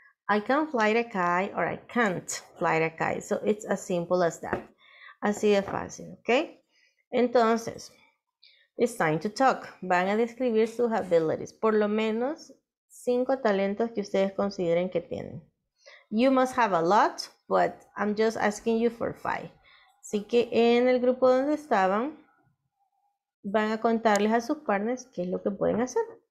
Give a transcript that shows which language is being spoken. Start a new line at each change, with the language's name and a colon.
English: I can fly a kite or I can't fly a kite. So it's as simple as that.
Spanish: Así de fácil, okay? Entonces,
English: it's time to talk.
Spanish: Van a describir sus abilities. Por lo menos 5 talentos que ustedes consideren que tienen.
English: You must have a lot, but I'm just asking you for 5.
Spanish: Así que en el grupo donde estaban, van a contarles a sus partners qué es lo que pueden hacer.